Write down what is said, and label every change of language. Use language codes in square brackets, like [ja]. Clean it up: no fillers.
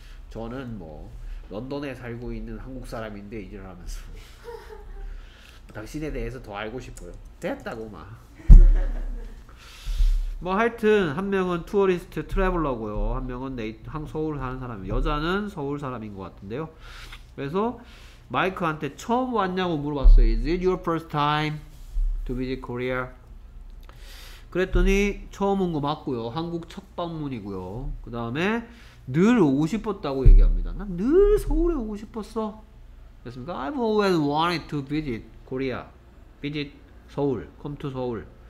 [ko] 저는 뭐 런던에 살고 있는 한국 사람인데 이제 하면서 당신에 대해서 더 알고 싶어요. 됐다고 막뭐 하여튼 한 명은 투어리스트 트래블러고요. 한 명은 서울 사는 사람. 여자는 서울 사람인 것 같은데요. 그래서 마이크한테 처음 왔냐고 물어봤어요. [en] Is it your first time to visit Korea? [ko] 그랬더니 처음 온거 맞고요. 한국 첫 방문이고요. 그 다음에 늘 오고 싶었다고 얘기합니다. 난 늘 서울에 오고 싶었어. 됐습니까? [en] I've always wanted to visit Korea. Visit 서울. Come to 서울.